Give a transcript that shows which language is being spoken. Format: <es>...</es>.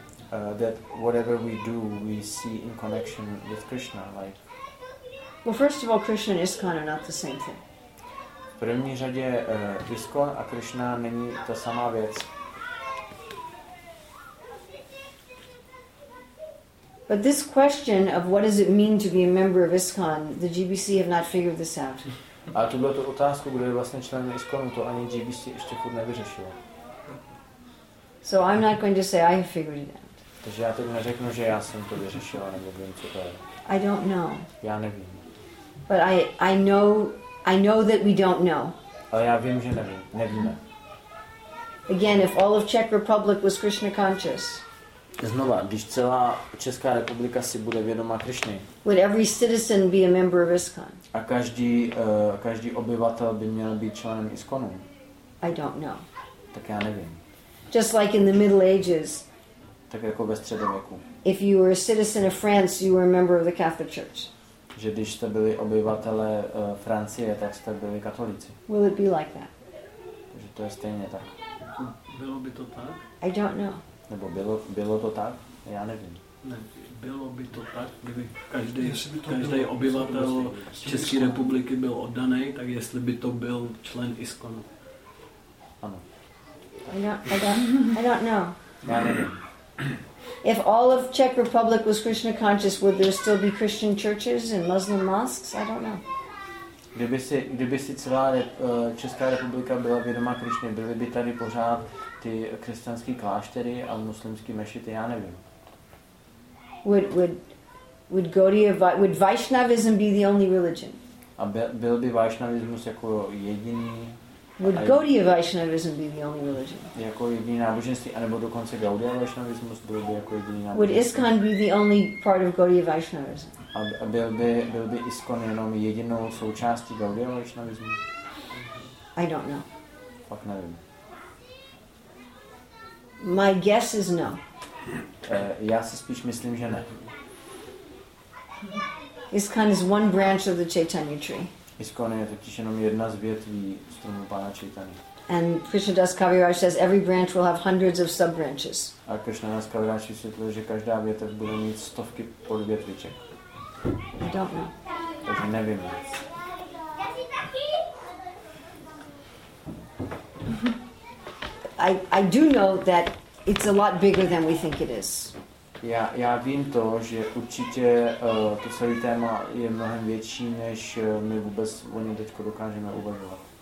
<en>That whatever we do, we see in connection with Krishna. Like, well, first of all, Krishna and ISKCON are not the same thing.</en> <cs>V první řadě ISKCON a Krishna není ta samá věc.</cs> <en>But this question of what does it mean to be a member of ISKCON, the GBC have not figured this out.</en> <cs>A tuhle tu otázku, kdo je vlastně členem ISKCONu, to ani GBC ještě furt nevyřešilo.</cs> <en>So I'm not going to say I have figured it out.</en> <cs>Takže já teď neřeknu, že já jsem to vyřešil, nebo vím, co to je.</cs> <en>I don't know.</en> <cs>Já nevím.</cs> <en>But I know that we don't know.</en> <cs>ale já vím, že nevím. Nevíme.</cs> <en>Again, if all of Czech Republic was Krishna conscious.</en> <cs>Znova, když celá Česká republika si bude vědoma Krišny.</cs> <en>Would every citizen be a member of ISKCON?</en> <cs>A každý každý obyvatel by měl být členem ISKCONu.</cs> <en>I don't know.</en> <cs>Tak já nevím.</cs> <en>Just like in the Middle Ages.</en> <cs>Tak jako ve středověku.</cs> <en>If you were a citizen of France, you were a member of the Catholic Church.</en> <cs>Že když jste byli obyvatelé Francie, tak jste byli katolíci.</cs> <en>Will it be like that?</en> <cs>Takže to je stejně tak. Bylo by to tak?</cs> <en>I don't know.</en> <cs>Nebo bylo to tak? Já nevím. Ne, bylo by to tak, kdyby každý obyvatel České republiky byl oddaný, tak jestli by to byl člen ISKCONu. Ano.</cs> <en>I don't know.</en> <cs>Já nevím.</cs> <en>If all of Czech Republic was Krishna conscious, would there still be Christian churches and Muslim mosques? I don't know.</en> <cs>Kdyby si celá Česká republika byla vědomá Krišny, byly by tady pořád ty křesťanské kláštery a muslimské mešity? Já nevím.</cs> <en>Would Vaishnavism be the only religion?</en> <cs>A byl by Vaishnavismus jako jediný?</cs> <en>Would Gaudiya Vaishnavism be the only religion?</en> <cs>Jako jediný náboženství, anebo dokonce Gaudiya Vaishnavismus byl by jako jediný náboženství.</cs> <en>Would ISKCON be the only part of Gaudiya Vaishnavism?</en> <cs>A byl by ISKCON jenom jedinou součástí Gaudiya Vaishnavismu?</cs> <en>I don't know.</en> <cs>Fakt nevím.</cs> <en>My guess is no.</en> <cs>Já si spíš myslím, že ne.</cs> <en>ISKCON is one branch of the Chaitanya tree.</en> <cs>ISKCON je totiž jenom jedna z větví stromu Pána Čaitany.</cs> <en>And Krishnadas Kaviraj says every branch will have hundreds of sub-branches.</en> <cs>A Krishnadas Kaviraj vysvětluje, že každá větev bude mít stovky podvětviček.</cs> <en>I don't know.</en> <cs>Takže nevím.</cs> <en>I do know that it's a lot bigger than we think it is.</en> <cs>Já vím to, že určitě to celý téma je mnohem větší, než my vůbec o něm teď dokážeme uvažovat.</cs>